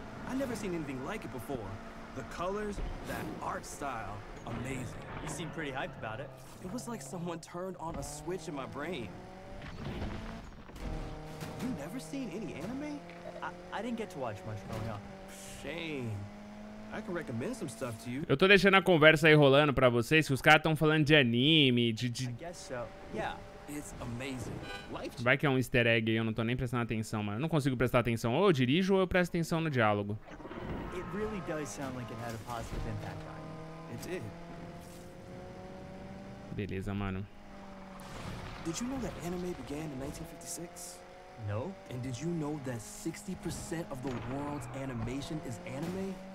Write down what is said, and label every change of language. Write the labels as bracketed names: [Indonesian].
[English] I never seen anything like it before. The colors, that art style, amazing. You seem pretty hyped about it. It was like someone turned on a switch in my brain. You never seen any anime? I didn't get to watch much growing up. Shame. I can recommend some stuff to you. [Portuguese] Eu tô deixando a conversa aí rolando pra vocês, que os caras tão falando de anime, [English] I guess so. Yeah, it's amazing. Life... [Portuguese] Vai que é um easter egg aí, eu não tô nem prestando atenção, mano. Eu não consigo prestar atenção. Ou eu dirijo ou eu presto atenção no diálogo. [English] It really does sound like it had a positive impact on you. It did. [Portuguese] Beleza, mano. [English] Did you know that anime began in 1956? No. And did you know that 60% of the world's animation is anime?